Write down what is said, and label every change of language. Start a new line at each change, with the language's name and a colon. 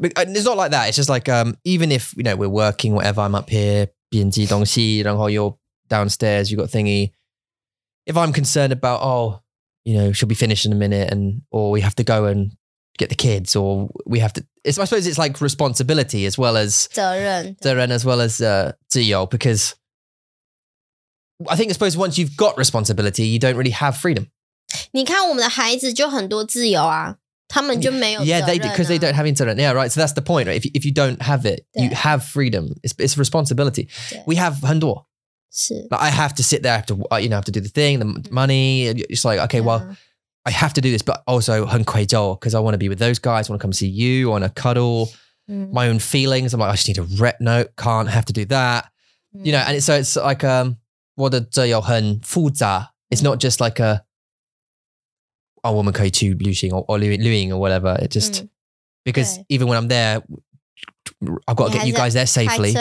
English: It's not like that It's just like Even if you know we're working Whatever I'm up here
Chinese: 编辑东西然后
English: you're downstairs You've got thingyIf I'm concerned about, oh, you know, she'll be finished in a minute and, or we have to go and get the kids or we have to, I suppose it's like responsibility as well as,
Chinese: 责任
English: as well as 自由 because I think I suppose once you've got responsibility, you don't really have freedom.
Chinese: 你看我们的孩子就很多自由啊他们就没有责任、啊、
English: Yeah, they, because they don't have internet. Yeah, right. So that's the point, right? If you don't have it, you have freedom. It's responsibility. We have 很多
Chinese: 是
English: like, I have to sit there, I have to do the thing, the money, it's like, okay, well, I have to do this, but also
Chinese: 很愧疚,
English: because I want to be with those guys, I want to come see you, I want to cuddle, my own feelings, I'm like, I just need a rep note, can't have to do that, you know, and it's, so it's like,
Chinese: 我的自由很复杂,
English: it's not just like a
Chinese: 我们可以去旅行
English: or 旅行 or whatever, it just, because even when I'm there,I've got to get you guys there safely.